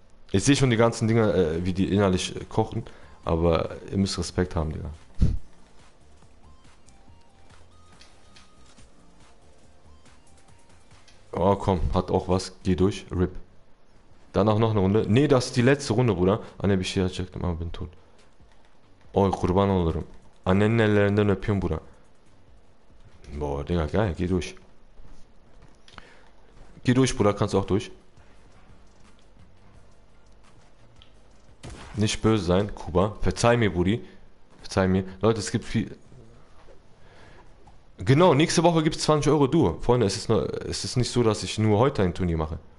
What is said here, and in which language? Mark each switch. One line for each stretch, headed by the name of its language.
German: Ich sehe schon die ganzen Dinger, wie die innerlich kochen, aber ihr müsst Respekt haben, Digga. Oh, komm, hat auch was. Geh durch, RIP. Danach noch eine Runde. Nee, das ist die letzte Runde, Bruder.
Turkish: Anne, bir şey yapacaktım ama ben tut. Oy, kurban olurum. Annenin ellerinden öpüyorum, Bruder.
German: Boah, Digga, geil, geh durch. Geh durch, Bruder, kannst auch durch. Nicht böse sein, Kuba. Verzeih mir, Buri. Verzeih mir. Leute, es gibt viel. Genau, nächste Woche gibt es 20 € Duo. Freunde, es ist nicht so, dass ich nur heute ein Turnier mache.